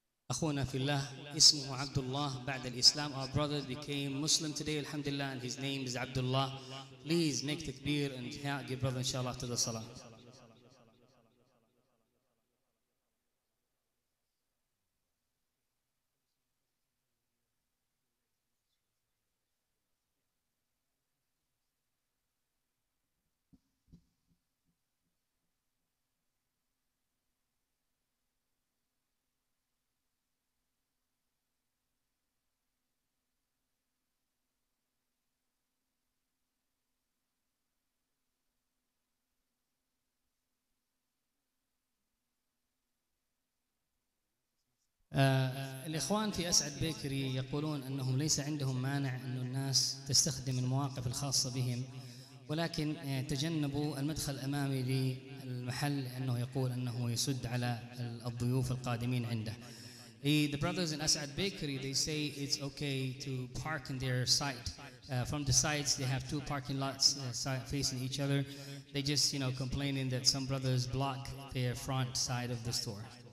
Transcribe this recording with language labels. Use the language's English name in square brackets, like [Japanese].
[Arabic] أخونا في الله اسمه عبد الله بعد الإسلام. [English] Our brother became Muslim today, Alhamdulillah, and his name is Abdullah. Please make takbir and give brother inshallah after the salah. Uh, [Arabic] الإخوان في أسعد بيكري يقولون أنهم ليس عندهم مانع أن الناس تستخدم المواقف الخاصة بهم، ولكن تجنبوا المدخل الأمامي للمحل أنه يقول أنه يسد على الضيوف القادمين عنده. [English] The brothers in Asad Bakery, they say it's okay to park in their site. From the sites, they have two parking lots facing each other. They just, you know, complaining that some brothers block their front side of the store.